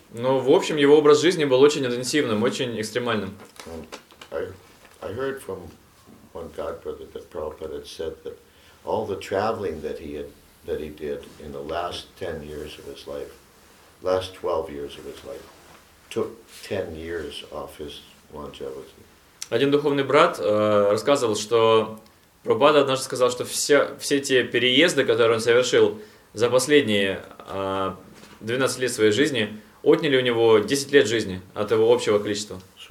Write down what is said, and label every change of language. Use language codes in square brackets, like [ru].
[ru] Но в общем его образ жизни был очень интенсивным, очень экстремальным. [en] I heard from one god brother that Prabhupada had said that all the traveling that he had that he did in the last 10 years of his life, last 12 years of his life, took 10 years off his longevity. [ru] Один духовный брат рассказывал, что Прабхупада однажды сказал, что все те переезды, которые он совершил за последние 12 лет своей жизни, отняли у него 10 лет жизни от его общего количества